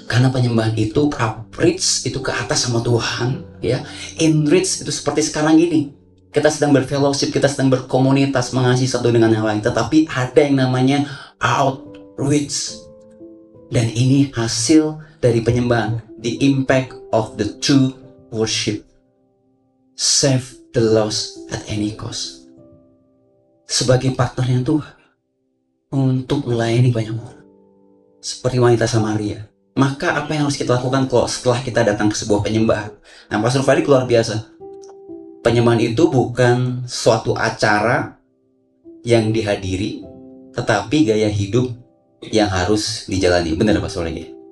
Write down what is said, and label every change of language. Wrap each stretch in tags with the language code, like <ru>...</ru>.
<id>Karena penyembahan itu upreach, itu ke atas sama Tuhan, ya. Enrich, itu seperti sekarang ini. Kita sedang berfellowship, kita sedang berkomunitas, mengasihi satu dengan yang lain. Tetapi ada yang namanya outreach. Dan ini hasil dari penyembahan.</id> <en>The impact of the true worship. Save the lost at any cost.</en> <id>Sebagai partnernya Tuhan, untuk melayani banyak orang. Seperti wanita Samaria. Maka apa yang harus kita lakukan kalau setelah kita datang ke sebuah penyembahan? Nah, Pastor Fadi luar biasa. Penyembahan itu bukan suatu acara yang dihadiri, tetapi gaya hidup yang harus dijalani. Benar, Pastor Fadi?</id>